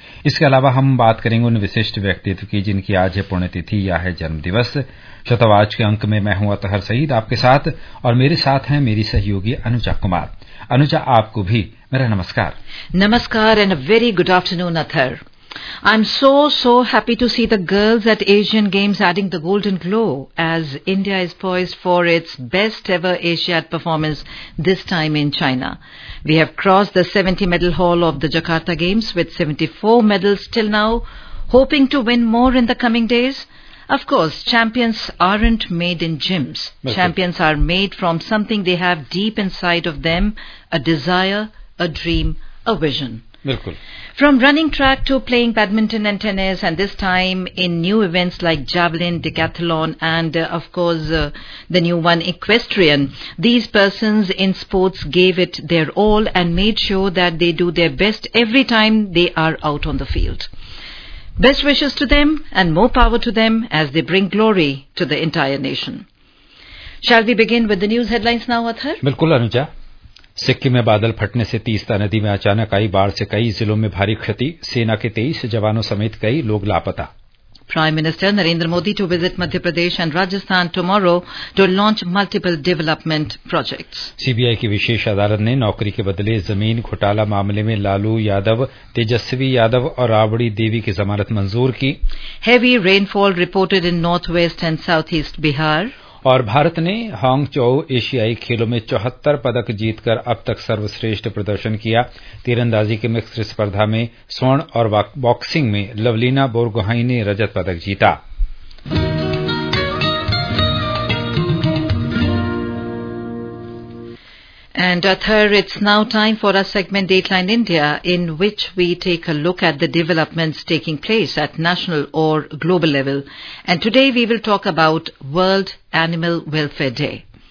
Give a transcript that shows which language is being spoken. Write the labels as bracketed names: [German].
[Hindi] इसके अलावा हम बात करेंगे उन विशिष्ट व्यक्तित्व की जिनकी आज है पुण्यतिथि या है जन्मदिवस। श्रोताओं, आज के अंक में मैं हूं अतहर सईद आपके साथ और मेरे साथ हैं मेरी सहयोगी अनुजा कुमार। अनुजा, आपको भी मेरा नमस्कार। [English] नमस्कार and a very good afternoon Athar. I'm so happy to see the girls at Asian Games adding the golden glow as India is poised for its best ever Asiad performance this time in China. We have crossed the 70 medal haul of the Jakarta Games with 74 medals till now, hoping to win more in the coming days. Of course, champions aren't made in gyms. Champions are made from something they have deep inside of them, a desire, a dream, a vision. [Hindi] बिल्कुल। [English] From running track to playing badminton and tennis, and this time in new events like javelin, decathlon, and of course the new one, equestrian. These persons in sports gave it their all and made sure that they do their best every time they are out on the field. Best wishes to them and more power to them as they bring glory to the entire nation. Shall we begin with the news headlines now, Athar? [Hindi] बिल्कुल अनुजा। सिक्किम में बादल फटने से तीस्ता नदी में अचानक आई बाढ़ से कई जिलों में भारी क्षति, सेना के 23 जवानों समेत कई लोग लापता। [English] Prime minister Narendra Modi to visit Madhya Pradesh and Rajasthan tomorrow to launch multiple development projects. [Hindi] CBI की विशेष अदालत ने नौकरी के बदले जमीन घोटाला मामले में लालू यादव, तेजस्वी यादव और राबड़ी देवी की जमानत मंजूर की। [English] Heavy rainfall reported in north west and south east Bihar. [Hindi] और भारत ने हांगचौ एशियाई खेलों में 74 पदक जीतकर अब तक सर्वश्रेष्ठ प्रदर्शन किया। तीरंदाजी के मिक्स स्पर्धा में स्वर्ण और बॉक्सिंग में लवलीना बोरगोहाई ने रजत पदक जीता। [English] And Athar, it's now time for our segment Dateline India, in which we take a look at the developments taking place at national or global level. And today we will talk about World Animal Welfare Day.